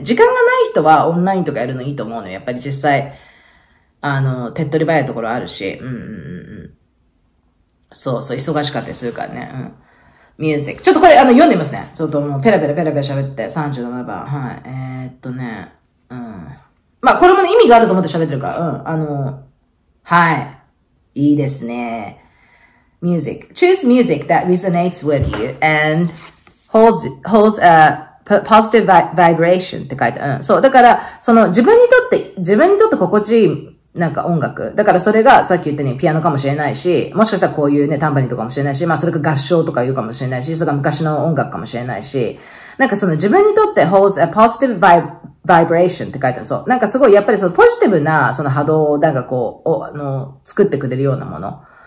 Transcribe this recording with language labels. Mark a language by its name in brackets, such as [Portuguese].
[Japanese] 時間がない人はオンラインとかやるのいいと思うのよ。やっぱり実際、手っ取り早いところあるし。うんうんうん。そうそう、忙しかったりするからね。うん。ミュージック。ちょっとこれ、読んでみますね。ちょっともう、ペラペラ喋って、37番。はい。うん。まあ、これもね、意味があると思って喋ってるから。うん。はい。いいですね。Music. [English] Choose music that resonates with you and holds a positive vibration [Japanese] って書いてある。うん。そう。だから、その、自分にとって心地いい、なんか音楽。だからそれが、さっき言ったように、ピアノかもしれないし、もしかしたらこういうね、タンバリンとかもしれないし、まあ、それが合唱とか言うかもしれないし、それが昔の音楽かもしれないし、なんかその、自分にとって [English] holds a positive vibration [Japanese] って書いてある。そう。なんかすごい、やっぱりその、ポジティブな、その波動を、なんかこう、作ってくれるようなもの。